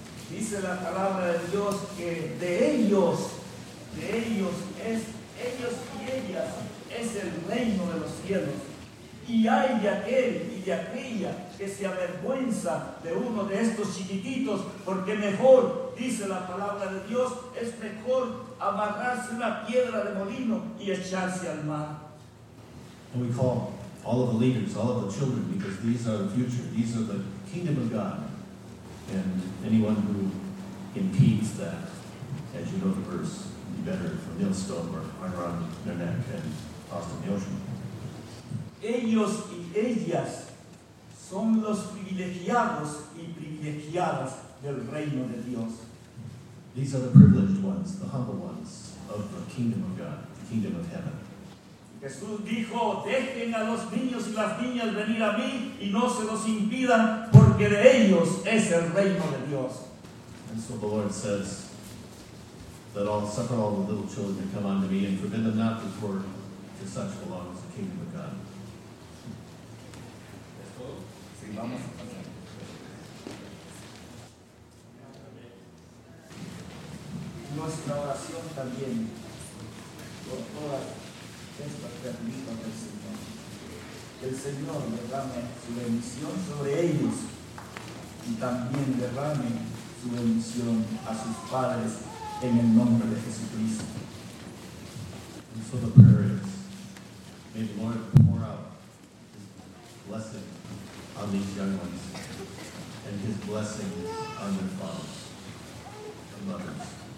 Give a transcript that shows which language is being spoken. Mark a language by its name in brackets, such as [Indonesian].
[Spanish] Dice la palabra de Dios que ellos y ellas es el reino de los cielos. Y hay de aquel y de aquella que se avergüenza de uno de estos chiquititos, porque mejor, dice la palabra de Dios, es mejor amarrarse una piedra de molino y echarse al mar. [English] And we call all of the leaders, all of the children, because these are the future, these are the kingdom of God. And anyone who impedes that, as you know the verse, would be better for millstone or around their neck and tossed in the ocean. [Spanish] Ellos y ellas son los privilegiados y privilegiadas del reino de Dios. [English] These are the privileged ones, the humble ones of the kingdom of God, the kingdom of heaven. [Spanish] Jesús dijo, dejen a los niños y las niñas venir a mí y no se los impidan, porque de ellos es el reino de Dios. [English] And so the Lord says that I'll suffer all the little children to come unto me and forbid them not, before to such belongs the kingdom of God. [Spanish] Nuestra oración también por todas estas criaturas del Señor. Que el Señor derrame su bendición sobre ellos y también derrame su bendición a sus padres en el nombre de Jesucristo. [English] And so the prayer is, may the Lord pour out his blessing on these young ones, and his blessing on their fathers and mothers.